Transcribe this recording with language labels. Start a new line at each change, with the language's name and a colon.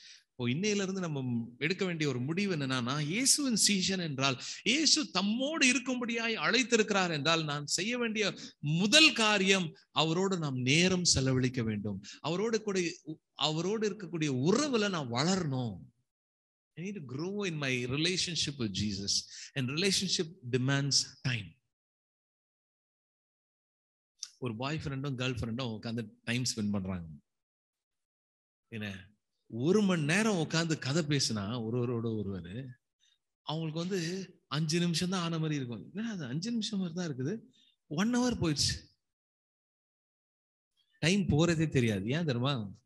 Tamil: இப்போ இன்னையிலிருந்து நம்ம எடுக்க வேண்டிய ஒரு முடிவு என்னன்னா, இயேசுவின் சீஷன் என்றால், இயேசு தம்மோடு இருக்கும்படியாய் அழைத்திருக்கிறார் என்றால், நான் செய்ய வேண்டிய முதல் காரியம் அவரோடு நாம் நேரம் செலவழிக்க வேண்டும். அவரோடு கூட அவரோடு இருக்கக்கூடிய உறவுல நாம் வளரணும்.
English: I need to grow in my relationship with Jesus, and relationship demands time.
Tamil: ஒரு பாய் ஃப்ரெண்டும் கேர்ள் ஃப்ரெண்டும் உட்காந்து டைம் ஸ்பெண்ட் பண்றாங்க, என்ன ஒரு மணி நேரம் உட்காந்து கதை பேசினா ஒருவரோட ஒருவர், அவங்களுக்கு வந்து 5 நிமிஷம் தான் ஆன மாதிரி இருக்கும். என்ன அது 5 நிமிஷம் மாதிரி தான் இருக்குது, 1 hour போயிடுச்சு, டைம் போறதே தெரியாது. ஏன் தெரியுமா?